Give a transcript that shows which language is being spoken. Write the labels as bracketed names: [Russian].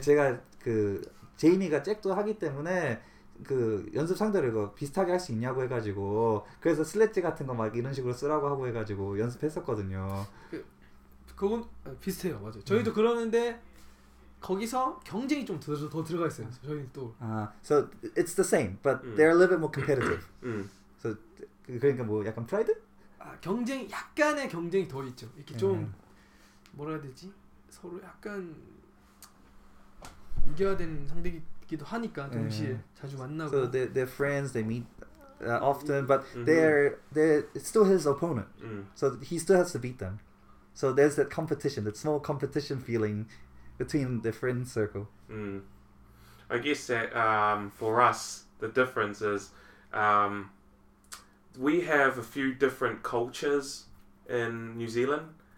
[Korean] 제가 그 제이미가 잭도 하기 때문에 그 연습 상대로 이거 비슷하게 할 수 있냐고 해가지고 그래서 슬래지 같은 거 막 이런 식으로 쓰라고 하고 해가지고 연습했었거든요. 그건 비슷해요, 맞아요. 저희도 네. 그러는데 거기서 경쟁이 좀 더 들어가 있어요. 저희 또. [English] 아, so it's the same, but they're a little bit more competitive. [Korean] so 그러니까 뭐 약간 프라이드? 아, 경쟁 약간의 경쟁이 더 있죠. 이렇게 좀 뭐라 해야 되지? 서로 약간 이겨야 되는 상대기. 기도 하니까 동시에 자주 만나고. [English] So they're friends, they meet often, but they're still his opponent. So he still has to beat them. So there's that competition, that small competition feeling between the friend circle. I guess that for us the difference is we have a few different cultures in New Zealand.